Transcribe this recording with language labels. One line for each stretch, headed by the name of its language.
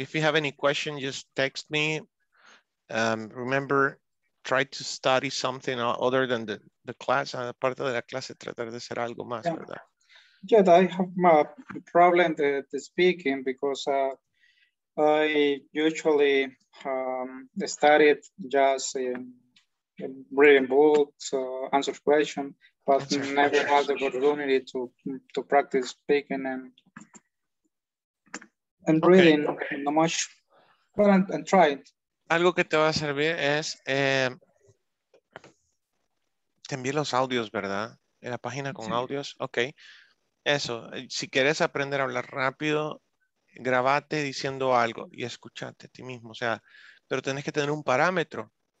English: If you have any question, just text me. Remember, try to study something other than the class.
Spanish: Aparte de la clase, tratar de hacer algo más, ¿verdad?
English: Yeah, I have my problem the speaking because I usually studied just in reading books, answer questions, but never had the opportunity to practice speaking and reading, okay. No much, but I'm trying.
Spanish: Algo que te va a servir es, te envié los audios, ¿verdad? En la página con sí. audios, ok. Eso, si quieres aprender a hablar rápido, grabate diciendo algo y escúchate a ti mismo, o sea, pero tenés que tener un parámetro.